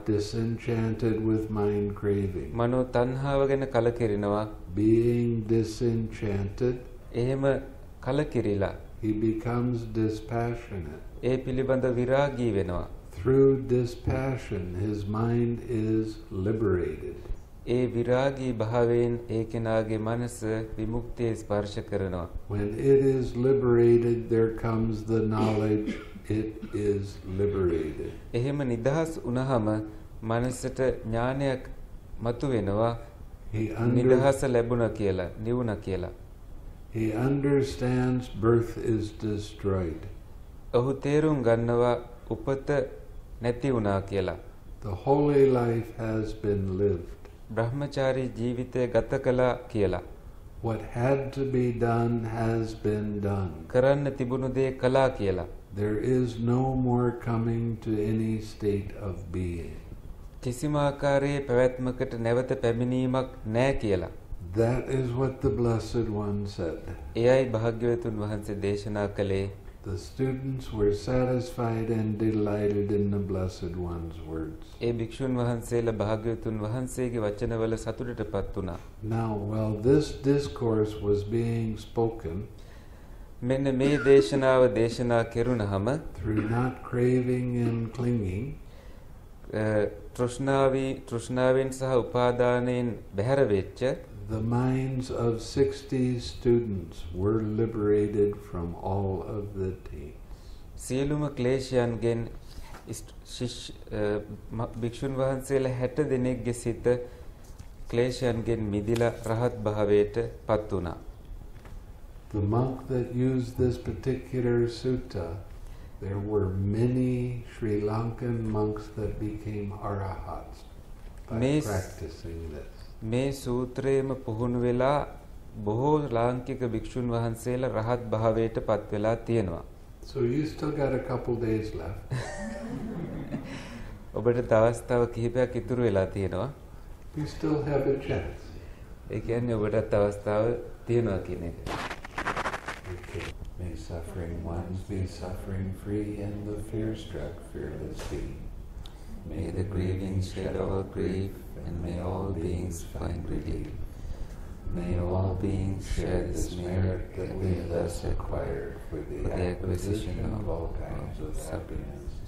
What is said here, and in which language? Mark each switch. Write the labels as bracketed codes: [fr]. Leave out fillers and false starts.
[en] Disenchanted with mind craving. [si] මනෝ තණ්හාව ගැන කලකිරෙනවා. [en] Being disenchanted. [si] එහෙම කලකිරිලා. [en] He becomes dispassionate. [si] ඒ පිළිබඳ විරාගී වෙනවා. [en] Through dispassion, his mind is liberated. [si] ඒ විරාගී භාවයෙන් ඒ කෙනාගේ මනස විමුක්තිය ස්පර්ශ කරනවා. [en] When it is liberated, there comes the knowledge it is liberated. [si] එහෙම නිදහස් වුණාම මනසට ඥානයක් මතුවෙනවා. නිදහස ලැබුණා කියලා, නිවුණා කියලා. [en] He understands birth is destroyed. [si] ඔහු තේරුම් ගන්නවා උපත නැති වුණා කියලා. [en] The holy life has been lived. [si] බ්‍රහ්මචාරී ජීවිතය ගත කළා කියලා. [en] What had to be done has been done. [si] කරන්න තිබුණු දේ කළා කියලා. [en] There is no more coming to any state of being. [si] කිසිම ආකාරයේ පැවැත්මකට නැවත පැමිණීමක් නැහැ කියලා. [en] That is what the blessed one said. [si] එයයි භාග්‍යවතුන් වහන්සේ දේශනා කළේ. [en] The students were satisfied and delighted in the Blessed One's words. [si] ඒ භික්ෂුන් වහන්සේලා භාග්‍යවතුන් වහන්සේගේ වචනවල සතුටටපත් වුණා. [en] Now, while this discourse was being spoken, [si] මෙන්න මේ දේශනාව දේශනා කෙරුණාම, [en] through not craving and clinging, [si] තෘෂ්ණාවෙන් සහ උපාදානයෙන් බැහැර වෙච්ච, [en] the minds of 60 students were liberated from all of the taints. [si] සියලුම ක්ලේශයන්ගෙන් ශිෂ්‍ය භික්ෂුන් වහන්සේලා 60 දෙනෙක්ගේ සිත ක්ලේශයන්ගෙන් මිදිලා රහත් භාවයට පත් වුණා. [en] The monk that used this particular sutta, there were many Sri Lankan monks that became arahats by practicing this. [si] මේ සූත්‍රයේම පුහුණු වෙලා බොහෝ ලාංකික භික්ෂුන් වහන්සේලා රහත් භාවයට පත් වෙලා තියෙනවා. [en] So you still got a couple days left. [si] ඔබට දවස් තව කිහිපයක් ඉතුරු වෙලා තියෙනවා. [en] You still have a chance. [si] ඒ කියන්නේ ඔබට අවස්ථාව තියෙනවා කියන එක. [en] May suffering ones be suffering free and the fear struck fearless be. May the grieving shed all grief and may all beings find relief. May all beings share this merit that we have thus acquired for the acquisition of all kinds of happiness.